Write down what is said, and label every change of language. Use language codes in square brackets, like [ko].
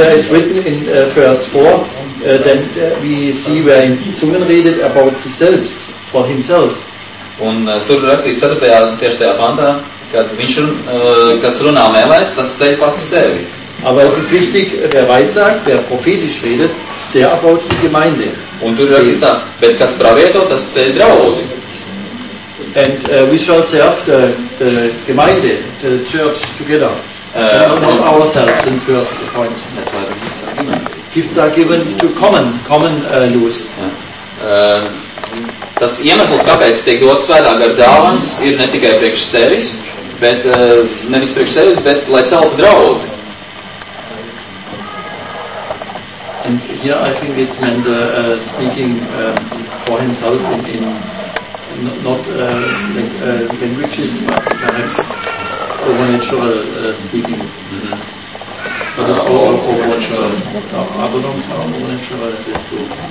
[en] When there is written in verse 4, then we see where in tongues read it about himself, for himself. [lv] Un tur rakstīts 4. Tieši tajā pantā, kad viņš, kas runā mēlēs, tas ceļ pats sevi. [de] Aber es ist wichtig, wer weissagt, wer prophetisch redet, der [en] about [de] die Gemeinde. [lv] Un tur rakstīts, bet kas pravieto, tas ceļ draudzi. [en] And we shall serve the Gemeinde, the church together, not ourselves in first point. That's why the gifts are given. Gifts are given to common use. [lv] Tas iemesls, kāpēc tiek dot svētā gara dāvans, ir ne tikai priekš sevis, bet nevis priekš sevis, bet lai celtu draudzi. [en] And here I think it's meant speaking for himself in not languages, but perhaps overnatural speaking. But it's all overnatural. Other things are overnatural at this school.